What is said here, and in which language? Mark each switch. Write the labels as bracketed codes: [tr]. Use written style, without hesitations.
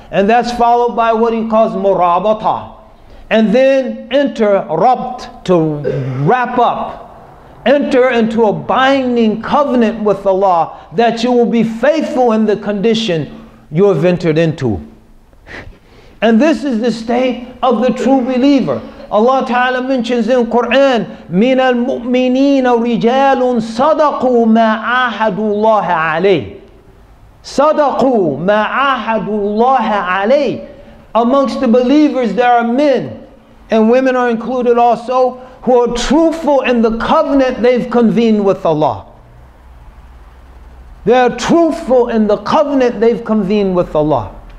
[en] And that's followed by what he calls murabata. And then enter rabt, to wrap up. Enter into a binding covenant with Allah that you will be faithful in the condition you have entered into. And this is the state of the true believer. Allah Ta'ala mentions in Quran, [ar] مِنَ الْمُؤْمِنِينَ رِجَالٌ صَدَقُوا مَا عَاهَدُوا اللَّهَ عَلَيْهِ. صَدَقُوا مَا عَاهَدُوا اللَّهَ عَلَيْهِ. [en] Amongst the believers there are men, and women are included also, who are truthful in the covenant they've convened with Allah. They are truthful in the covenant they've convened with Allah.